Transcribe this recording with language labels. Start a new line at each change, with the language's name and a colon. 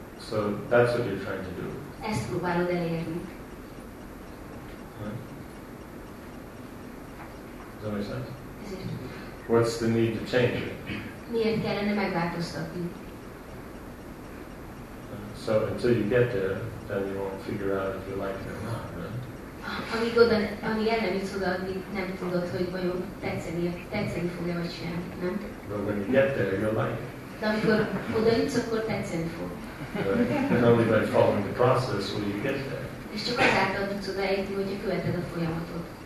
English: So that's what you're trying to do.
Hungarian: Ezt próbálod elérni.
English: Does that make sense?
Hungarian: Ezért.
English: What's the need to change it?
Hungarian: Miért kellene megváltoztatni?
English: So until you get there, then you won't figure out if you like it or not, right?
Hungarian: Amíg oda, amíg el nem jutsz oda, addig nem tudod, hogy vajon tetszeni fog-e vagy sem, nem?
English: But when you get there, you'll like it.
Hungarian: De amikor oda jutsz, akkor tetszeni fog.
English: Right? And only by following the process will you get there.
Hungarian: És csak azáltal tudsz oda eljutni, hogyha követed a folyamatot.